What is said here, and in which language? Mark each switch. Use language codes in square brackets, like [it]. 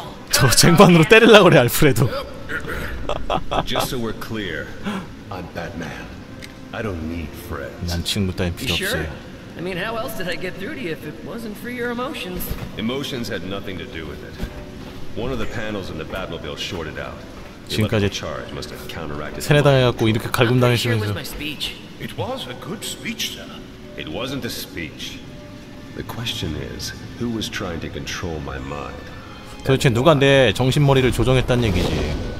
[ko] 저 쟁반으로 때릴라 그래, 알프레도. [en] Just so we're clear, I'm Batman. I don't need friends. [ko] 난 친구 따윈 필요 없어요. [en] I mean, how else did I get through to you if it wasn't for your emotions? Emotions had nothing to do with it. One of the panels in the Batmobile shorted out. [ko] 지금까지 [en] charge must have counteracted. [ko] 세뇌당해갖고 이렇게 갈굼당했으면서. [en] It was a good speech, sir. It wasn't a speech. The question is, who was trying to control my mind? [ko] 도대체 누가 내 정신머리를 조종했단 얘기지?